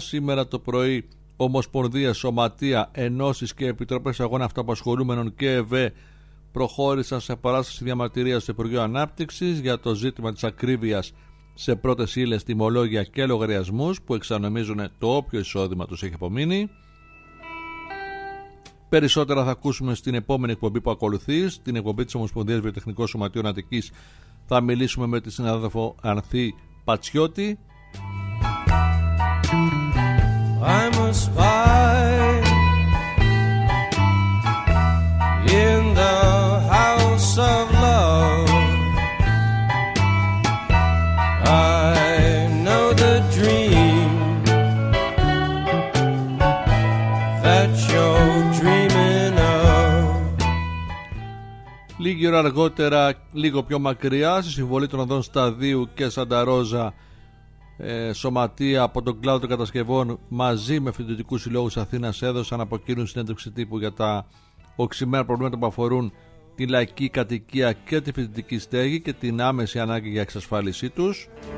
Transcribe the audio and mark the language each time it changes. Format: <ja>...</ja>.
<el>Σήμερα το πρωί Ομοσπονδία, Σωματεία, Ενώσεις και Επιτροπές Αγώνα Αυτοαπασχολούμενων και ΕΒΕ προχώρησαν σε παράσταση διαμαρτυρίας του Υπουργείου Ανάπτυξης για το ζήτημα της ακρίβειας σε πρώτες ύλες, τιμολόγια και λογαριασμούς που εξανομίζουν το όποιο εισόδημα τους έχει απομείνει. Περισσότερα θα ακούσουμε στην επόμενη εκπομπή που ακολουθεί, στην εκπομπή της Ομοσπονδίας Βιοτεχνικών Σωματείων Αττικής. Θα μιλήσουμε με τη συνάδελφο Ανθή Πατσιώτη.</el> <en>I'm a spy in the house of love. I know the dream that you're dreaming of.</en> <el>Λίγη ώρα αργότερα, λίγο πιο μακριά, στη συμβολή των οδών Σταδίου και Σαντα Ρόζα, σωματεία από τον κλάδο των κατασκευών μαζί με φοιτητικούς συλλόγους Αθήνας έδωσαν από εκείνους συνέντευξη τύπου για τα οξυμένα προβλήματα που αφορούν τη λαϊκή κατοικία και τη φοιτητική στέγη και την άμεση ανάγκη για εξασφάλισή τους.</el>